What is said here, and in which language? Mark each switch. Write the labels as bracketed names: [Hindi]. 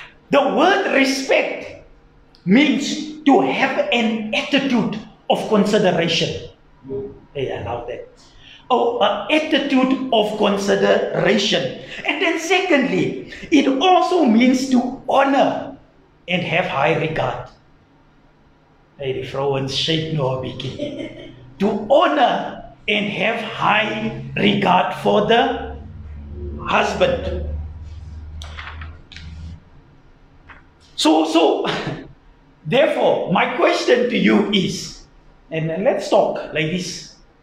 [English] The word respect means to have an attitude of consideration. Hey, I love that. Oh, an attitude of consideration. And then secondly, it also means to honor and have high regard. [Afrikaans] Hey, die vrouens shake nou 'n bietjie. [English] To honor and have high regard for the husband. So, therefore, my question to you is, and let's talk, ladies.